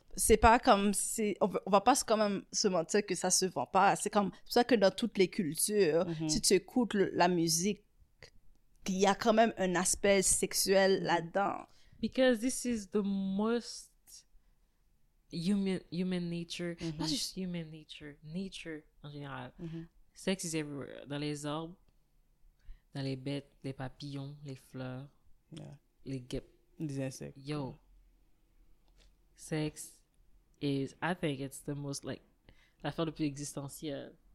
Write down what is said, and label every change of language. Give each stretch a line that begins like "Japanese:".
French: C'est pas comme si on va pas quand même se mentir que ça se vend pas. C'est comme c'est pour ça que dans toutes les cultures, mm-hmm. si tu écoutes la musique, il y a quand même un aspect sexuel là-dedans.
English: Because this is the most human nature, mm-hmm. not just human nature,
French: nature en général.
English: Mm-hmm. Sex is everywhere.
French: Dans les arbres, dans les bêtes, les papillons, les fleurs,
English: yeah.
French: les guêpes. Des insectes.
English: Yo, sex is, I think it's the most, like,
French: l'affaire le plus existentielle.